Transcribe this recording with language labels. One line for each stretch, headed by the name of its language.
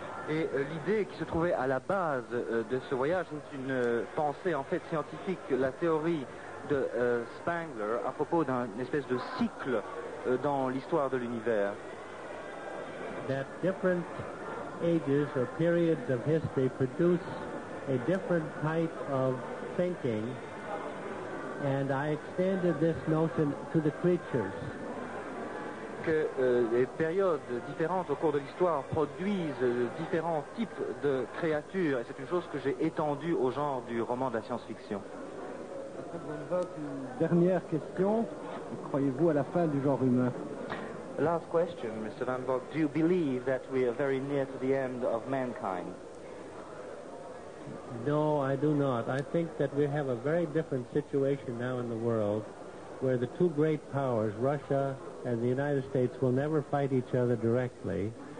French: Et l'idée qui se trouvait à la base de ce voyage, c'est une pensée en fait scientifique, la théorie de Spengler à propos d'une espèce de cycle dans l'histoire de l'univers.
English: That different ages or periods of history produce a different type of thinking, and I extended this notion to the creatures.
French: Que les périodes différentes au cours de l'histoire produisent différents types de créatures, et c'est une chose que j'ai étendue au genre du roman de la science-fiction. Dernière question, croyez-vous à la fin du genre humain?
English: Last question, Mr. Van Vogt, do you believe that we are very near to the end of mankind? No, I do not. I think that we have a very different situation now in the world, where the two great powers, Russia and the United States, will never fight each other directly.